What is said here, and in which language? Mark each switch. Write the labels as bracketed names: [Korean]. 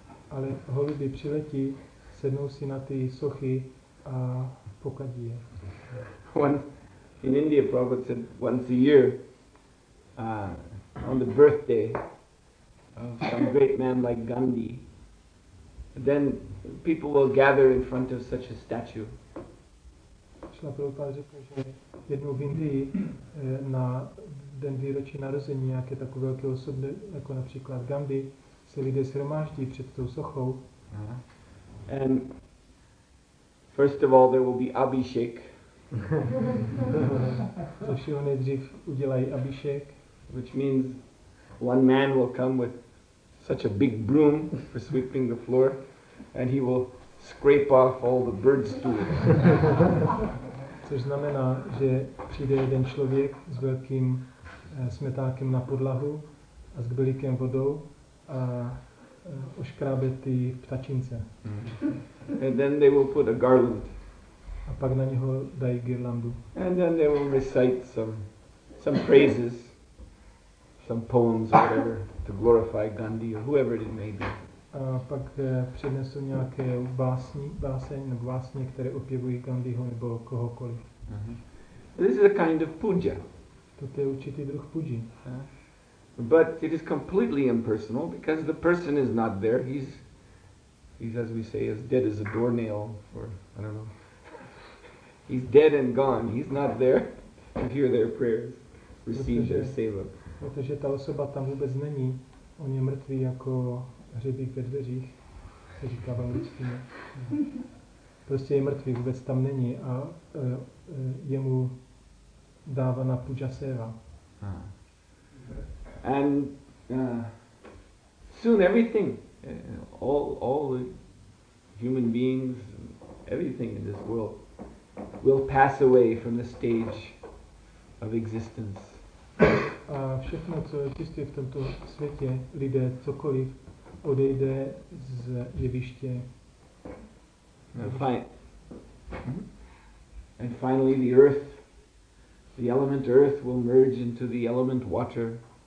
[Czech] Ale holuby přiletí, sednou si na ty sochy a pokadí je. [English] In India, Prabhupada said once a year, on the birthday of some great man like Gandhi, then people will gather in front of such a statue. [Czech] Šla Prabhupada řekl, že jednou v Indii na den výročí narození nějaké takové velké osoby, jako například Gandhi, se lidé shromáždí před tou sochou. [English] And first of all, there will be abhishek. [Czech] To všeho nejdřív udělají abhishek. [English] Which means one man will come with such a big broom for sweeping the floor and he will scrape off all the bird stools. [Czech] Což znamená, že přijde jeden člověk s velkým smetákem na podlahu a s kbelíkem vodou a oškrábe ty ptačince. [English] And then they will put a garland. [Czech] A pak na něho dají girlandu. [English] And then they will recite some praises, some poems or whatever, to glorify Gandhi or whoever it may be. [Czech] A pak přinesu nějaké básně, které opěvují Gandhiho nebo kohokoliv. [English] Uh-huh. This is a kind of puja. [Czech] Toto je určitý druh puji. [English] But it is completely impersonal because the person is not there. He's as we say, as dead as a doornail, or I don't know. He's dead and gone. He's not there to hear their prayers, receive their seva. [Czech] Protože ta osoba tam vůbec není. On je mrtvý jako hřebík ve dveřích, se říká v angličtině. Prostě je mrtvý, vůbec tam není a je mu dávána puja seva. [English] And soon everything, all the human beings, everything in this world will pass away from the stage of existence. [Czech] A všechno, co existuje v tomto světě, lidé, cokoliv, odejde z jeviště. [English] And finally the earth, the element earth will merge into the element water.